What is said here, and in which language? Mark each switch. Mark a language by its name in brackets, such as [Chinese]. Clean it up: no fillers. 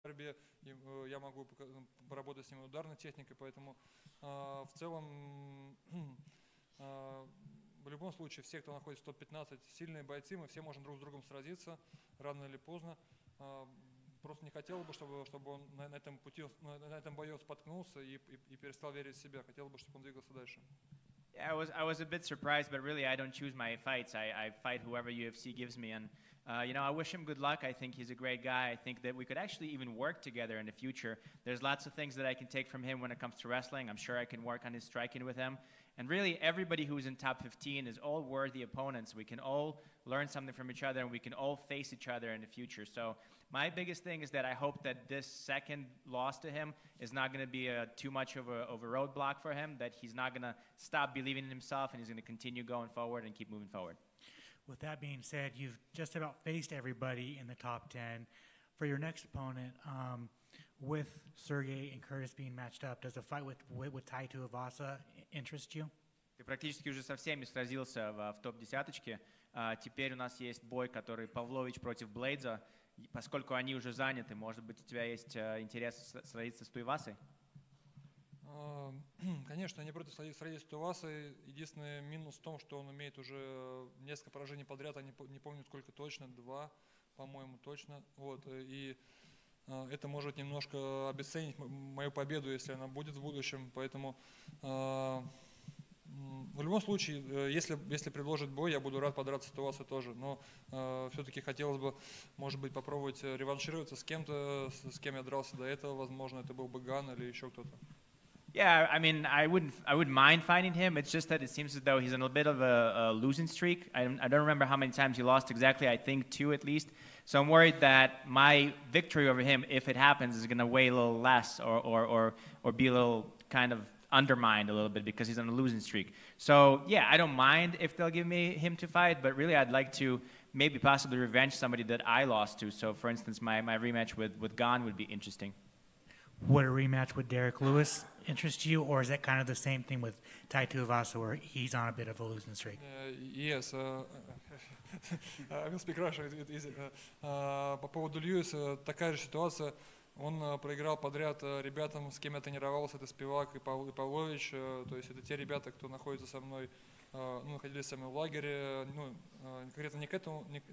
[Russian] тебе я могу поработать с ним ударной техникой, поэтому в целом в любом случае все, кто находится в топ-15, сильные бойцы, мы все можем друг с другом сразиться рано или поздно. Просто не хотел бы, чтобы он на этом бою споткнулся и перестал верить в себя. Хотел бы, чтобы он двигался дальше. [English] I was a bit surprised, but really I don't choose my fights. I fight whoever UFC gives me, and you know, I wish him good luck. I think he's a great guy. I think that we could actually even work together in the future. There's lots of things that I can take from him when it comes to wrestling. I'm sure I can work on his striking with him. And really, everybody who's in top 15 is all worthy opponents. We can all learn something from each other, and we can all face each other in the future. So my biggest thing is that I hope that this second loss to him is not going to be too much of a roadblock for him, that he's not going to stop believing in himself, and he's going to continue going forward and keep moving forward. With that being said, you've just about faced everybody in the top 10. For your next opponent, with Sergey and Curtis being matched up, does a fight with Tai Tuivasa interest you? [Russian] Ты практически уже со всеми сразился в топ-десяточке. Теперь у нас есть бой, который Павлович против Блейдза. Поскольку они уже заняты, может быть, у тебя есть интерес сразиться с Туивасой? Конечно, не против сразиться с Туивасой. Единственный минус в том, что он имеет уже несколько поражений подряд, а не помню, сколько точно, 2, по-моему, точно. Вот, и это может немножко обесценить мою победу, если она будет в будущем. Поэтому в любом случае, если предложат бой, я буду рад подраться с Туивасой тоже. Но все-таки хотелось бы, может быть, попробовать реваншироваться с кем-то, с кем я дрался до этого. Возможно, это был бы Ган или еще кто-то. [English] Yeah, I mean, I wouldn't mind finding him. It's just that it seems as though he's in a bit of a losing streak. I don't remember how many times he lost exactly. I think 2 at least. So I'm worried that my victory over him, if it happens, is going to weigh a little less or be a little kind of undermined a little bit because he's on a losing streak. So yeah, I don't mind if they'll give me him to fight, but really I'd like to maybe possibly revenge somebody that I lost to. So for instance, my rematch with Gon would be interesting. Would a rematch with Derek Lewis interest you, or is that kind of the same thing with Tai Tuivasa, where he's on a bit of a losing streak? Yes, I will speak Russian. [Russian] По поводу Льюиса, такая же ситуация. Он проиграл подряд ребятам, с кем я тренировался, это Спивак и Павлович. То есть это те ребята, кто находится со мной, находились со мной в лагере. Конкретно не к этому.